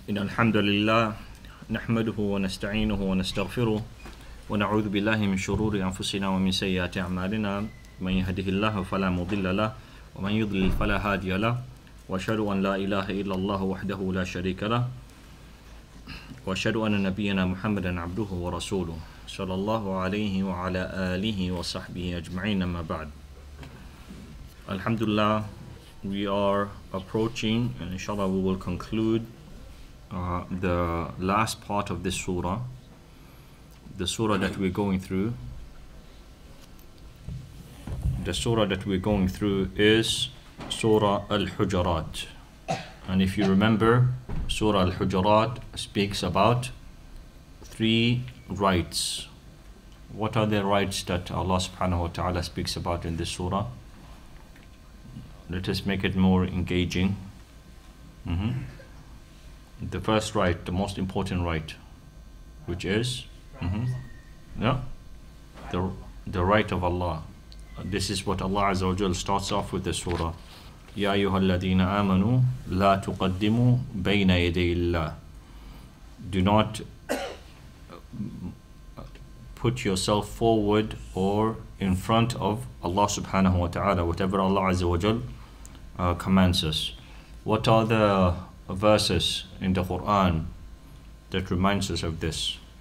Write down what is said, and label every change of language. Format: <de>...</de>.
<ar>إن الحمد لله نحمده ونستعينه ونستغفره ونعوذ بالله من شرور أنفسنا ومن سيئات أعمالنا من يهده الله فلا مضل له ومن يضلل فلا هادي له وأشهد أن لا إله إلا الله وحده لا شريك له وأشهد أن نبينا محمدا عبده ورسوله صلى الله عليه وعلى آله وصحبه أجمعين أما بعد الحمد لله</ar> <en>we are approaching and inshallah we will conclude the last part of this surah, the surah that we're going through. The surah that we're going through is Surah Al-Hujuraat. And if you remember, Surah Al-Hujuraat speaks about three rights. What are the rights that Allah subhanahu wa ta'ala speaks about in this surah? Let us make it more engaging. The first right, the most important right, which is the right of Allah. This is what Allah Azza wa Jalla starts off with the surah.</en> <ar>يا أيها الذين آمنوا لا تقدموا بين يدي الله.</ar> <en>Do not put yourself forward or in front of Allah subhanahu wa ta'ala, whatever Allah Azza wa Jalla commands us. What are the verses in the Quran that reminds us of this?</en>